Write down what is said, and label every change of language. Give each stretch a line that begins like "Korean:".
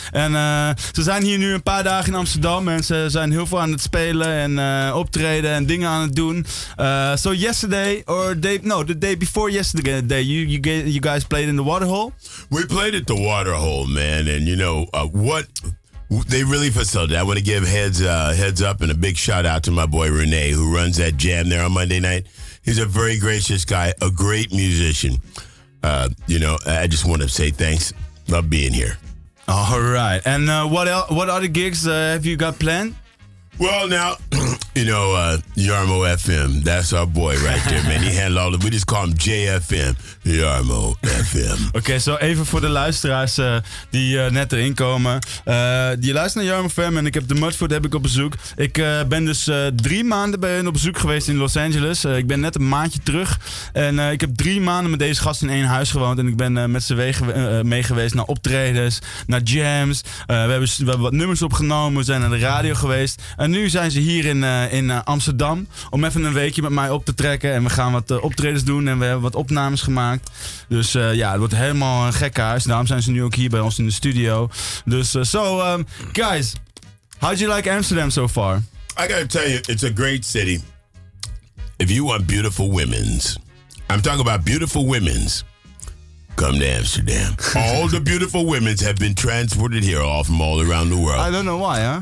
Dutch: En ze zijn hier nu een paar dagen in Amsterdam en ze zijn heel veel aan het spelen en optreden en dingen aan het doen.
English: The day before yesterday, you guys played in the Waterhole? We played at the Waterhole, man. And you know, what they really facilitated. I want to give heads up and a big shout out to my boy Renee, who runs that jam there on Monday night. He's a very gracious guy, a great musician. You know, I just want to say thanks. Love being here. All right. And what other gigs have you got planned? Well, now, you know, Jarmo FM, that's our boy right there, man. He handled all of it. We just call him JFM, Jarmo FM.
Dutch: Okay, so even voor de luisteraars die net erin komen. Je luistert naar Jarmo FM en ik heb de Mudfoot heb ik op bezoek. Ik ben dus 3 maanden bij hen op bezoek geweest in Los Angeles. Ik ben net een maandje terug. En ik heb 3 maanden met deze gast in 1 huis gewoond. En ik ben met z'n mee geweest naar optredens, naar jams. We hebben wat nummers opgenomen, we zijn naar de radio geweest. En nu zijn ze hier in Amsterdam om even een weekje met mij op te trekken. En we gaan wat optredens doen en we hebben wat opnames gemaakt. Dus het wordt helemaal een gek huis. Daarom zijn ze nu ook hier bij ons in de studio. Dus
English: guys, how do you like Amsterdam so far? I gotta tell you, it's a great city. If you want beautiful women's, I'm talking about beautiful women's, come to Amsterdam. All the beautiful women have been transported here all from all around the world. I don't know why, huh?